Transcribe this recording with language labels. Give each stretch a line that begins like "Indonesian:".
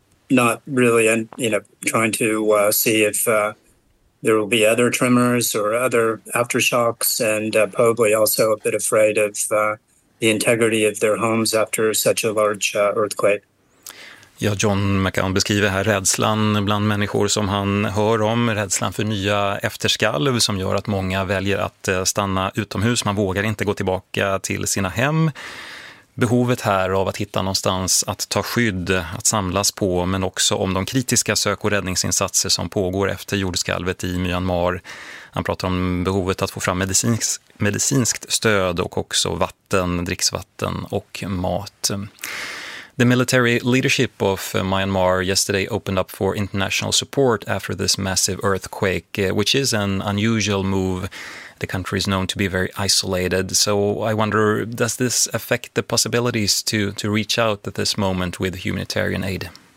English: not really, trying to see if there will be other tremors or other aftershocks, and probably also a bit afraid of the integrity of their homes after such a large earthquake.
Swedish: Ja, John McCown beskriver här rädslan bland människor som han hör om, rädslan för nya efterskalv som gör att många väljer att stanna utomhus. Man vågar inte gå tillbaka till sina hem. Behovet här av att hitta någonstans att ta skydd, att samlas på, men också om de kritiska sök- och räddningsinsatser som pågår efter jordskalvet i Myanmar. Han pratar om behovet att få fram medicinskt stöd och också vatten, dricksvatten och mat.
English: The military leadership of Myanmar yesterday opened up for international support after this massive earthquake, which is an unusual move. The country is known to be very isolated. So I wonder, does this affect the possibilities to reach out at this moment with humanitarian aid?